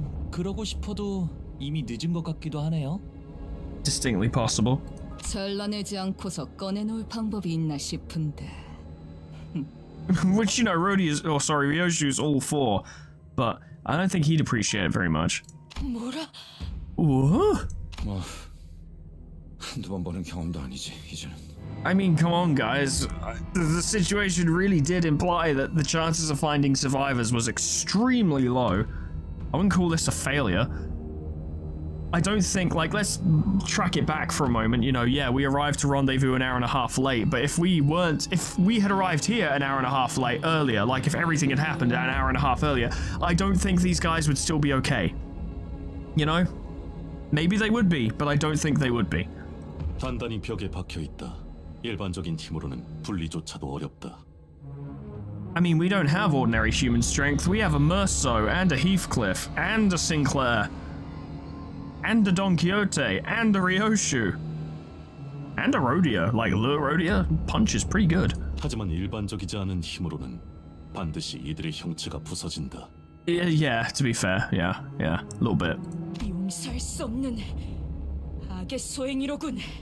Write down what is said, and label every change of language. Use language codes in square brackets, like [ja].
[ko] 그러고 싶어도 이미 늦은 것 같기도 하네요. [en] Distinctly possible. [ko] 잘라내지 않고서 꺼내놓을 방법이 있나 싶은데. [en] Which, you know, Ryoshu is all for, but I don't think he'd appreciate it very much. [ko] 뭐라? 뭐? 뭐 한두 번 보는 경험도 아니지 이제는. [en] I mean, come on, guys. The situation really did imply that the chances of finding survivors was extremely low. I wouldn't call this a failure. I don't think, like, let's track it back for a moment. You know, yeah, we arrived to rendezvous an hour and a half late, but if everything had happened an hour and a half earlier, I don't think these guys would still be okay. You know? Maybe they would be, but I don't think they would be. [ko] 단단히 벽에 박혀 있다. 일반적인 힘으로는 분리조차도 어렵다. [en] I mean, we don't have ordinary human strength. We have a Murso and a Heathcliff and a Sinclair and a Don Quixote and a Ryoshu and a Rodia. Like, Le Rodia punch is pretty good. [ko] 하지만 일반적이지 않은 힘으로는 반드시 이들의 형체가 부서진다. [en] Yeah, to be fair. Yeah, a little bit. [ko] 용서할 수 없는 악의 소행이로군.